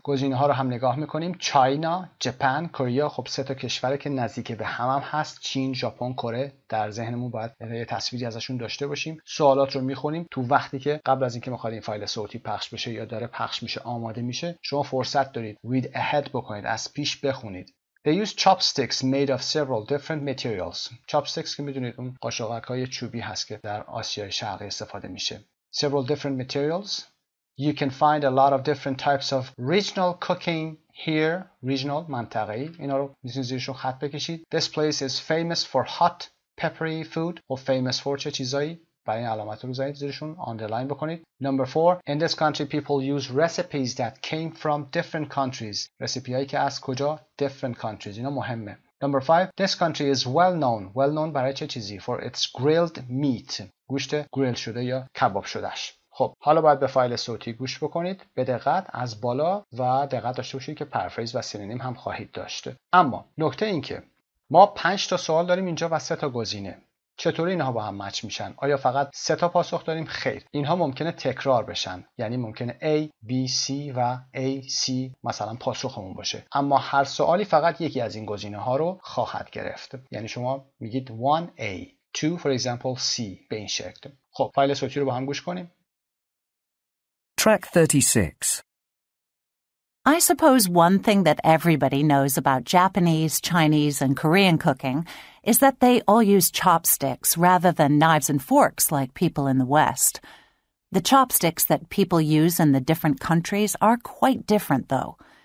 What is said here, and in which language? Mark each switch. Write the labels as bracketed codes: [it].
[fa] گزینه ها رو هم نگاه میکنیم، چاینا، جاپان، کره، خب سه تا کشوره که نزدیک به هم هم هست، چین، ژاپن، کره، در ذهنمون باید یه تصویری ازشون داشته باشیم. سوالات رو میخونیم تو وقتی که قبل از اینکه میخواد این فایل صوتی پخش بشه یا داره پخش میشه آماده میشه، شما فرصت دارید read ahead بکنید، از پیش بخونید. [en] They use chopsticks made of several different materials. [fa] Chopsticks که میدونید اون قاشقک های چوبی هست که در آسیای شرقی استفاده میشه. [en] Several different materials. You can find a lot of different types of regional cooking here. [fa] Regional, منطقه‌ای. اینا رو میتونید زیرشون خط بکشید. [en] This place is famous for hot peppery food. [fa] و famous for چه چیزایی؟ برای این علامت رو زنید زیرشون، underline بکنید. [en] Number 4. In this country people use recipes that came from different countries. [fa] رسیپی هایی که از کجا؟ [en] Different countries. [fa] اینا مهمه. [en] Number 5. This country is well known. Well known [fa] برای چه چیزی؟ [en] For its grilled meat. [fa] گوشت گریل شده یا کباب شدهش. خب حالا باید به فایل صوتی گوش بکنید به دقت از بالا و دقت داشته باشید که پرفریز و سینونیم هم خواهید داشته. اما نکته این که ما 5 تا سوال داریم اینجا و 3 تا گزینه. چطوری اینها با هم مچ میشن؟ آیا فقط سه تا پاسخ داریم؟ خیر. اینها ممکنه تکرار بشن. یعنی ممکنه A, B, C و A, C مثلا پاسخمون باشه. اما هر سوالی فقط یکی از این گزینه‌ها رو خواهد گرفت. یعنی شما میگید 1A, 2 [en] for example [fa] C به این شکل. خب فایل صوتی رو با هم گوش کنیم. [en] Track 36. I suppose one thing that everybody knows about Japanese, Chinese and Korean cooking is that they all use chopsticks rather than knives and forks like people in the West. The chopsticks that people use in the different countries are quite different, though.